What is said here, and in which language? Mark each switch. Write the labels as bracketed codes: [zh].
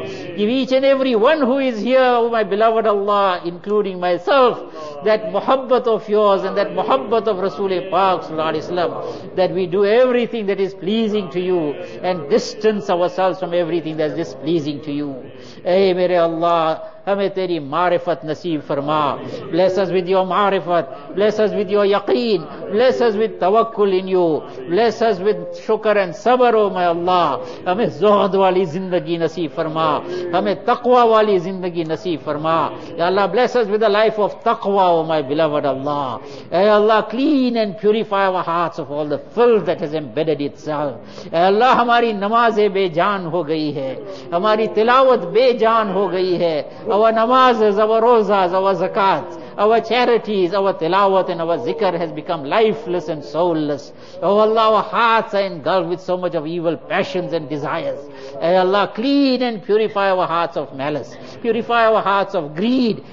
[en] Give each and every one who is here, oh my beloved Allah, including myself, that muhabbat of yours and that muhabbat of Rasul Pak sallallahu alaihi wasallam, that we do everything that is pleasing to you and distance ourselves from everything that is displeasing to you. [ur] Ay mere Allah, ہمیں تیری معرفت نصیب فرما. [en] Bless us with your معرفت, bless us with your یقین, bless us with توکل in you, bless us with شکر and صبر. Oh my Allah, [ur] ہمیں زہد والی زندگی نصیب فرما, ہمیں تقوی والی زندگی نصیب فرما. [en] یا اللہ, bless us with a life of تقوی. Oh my beloved Allah, اے اللہ, clean and purify our hearts of all the filth that has embedded itself. [ur] اے اللہ, ہماری نمازیں بے جان ہو گئی ہے, ہماری تلاوت بے جان ہو گئی ہے. [en] Our نمازز, our روزاز, our زکات, our charities, our tilawat and our zikr has become lifeless and soulless. Oh Allah, our hearts are engulfed with so much of evil passions and desires. Ay Allah, clean and purify our hearts of malice. Purify our hearts of greed.